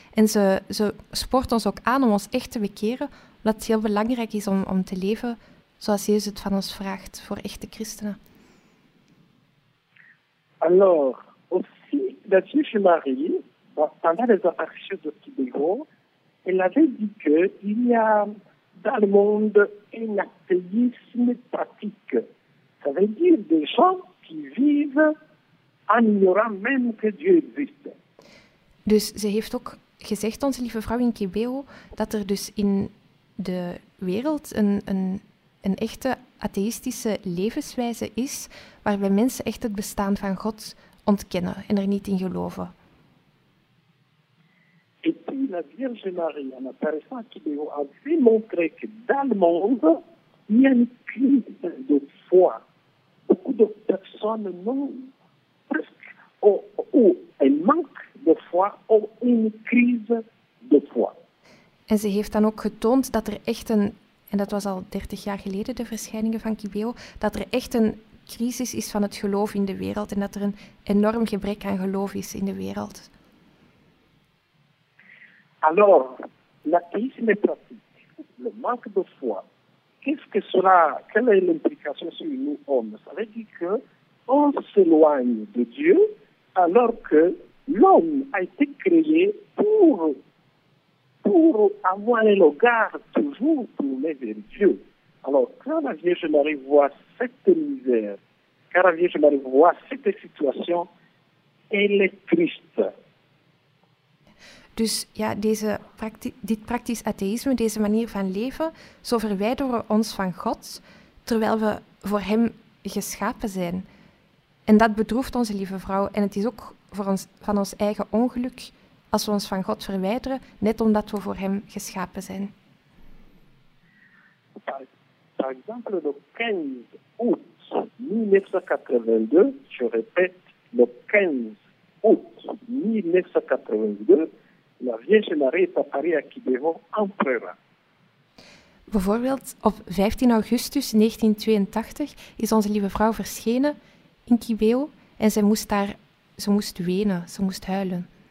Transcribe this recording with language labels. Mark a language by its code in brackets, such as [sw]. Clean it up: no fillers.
[nl] En ze spoort ons ook aan om ons echt te bekeren, omdat het heel belangrijk is om te leven zoals Jezus het van ons vraagt voor echte christenen. [fr] Alors, aussi, la Vierge Marie, pendant les apparitions de Kibeho, elle avait dit qu'il y a dans le monde un athéisme pratique. Ça veut dire des gens qui vivent en ignorant même que Dieu existe. [nl] Dus ze heeft ook gezegd, Onze Lieve Vrouw in Kibeho, dat er dus in de wereld een echte atheïstische levenswijze is waarbij mensen echt het bestaan van God ontkennen en er niet in geloven. En toen [fr] la Vierge Marie en apparaissant à Kibeho a démontré que dans le monde il y a une crise de foi. Beaucoup de personnes n'ont presque ou un manque de foi ou une crise de foi. [nl] En ze heeft dan ook getoond dat er echt een, en dat was al 30 jaar geleden, de verschijningen van Kibeho, dat er echt een crisis is van het geloof in de wereld en dat er een enorm gebrek aan geloof is in de wereld. [fr] Alors, l'athéisme pratique, le manque de foi, quelle est l'implication sur nous hommes? Ça veut dire qu'on s'éloigne de Dieu alors que l'homme a été créé pour avoir le regard toujours tourné vers Dieu. Alors, quand la Vierge Marie voit cette misère, quand la Vierge Marie voit cette situation, elle est triste. [nl] Dus ja, dit praktisch atheïsme, deze manier van leven, zo verwijderen we ons van God, terwijl we voor hem geschapen zijn. En dat bedroeft onze lieve vrouw. En het is ook voor ons, van ons eigen ongeluk als we ons van God verwijderen, net omdat we voor hem geschapen zijn. [fr] Par exemple, le 15 août 1982, la Vierge Marie est apparue à Quiberon en prière. [nl] Bijvoorbeeld op 15 augustus 1982 is onze lieve vrouw verschenen in Quibeo en ze moest huilen.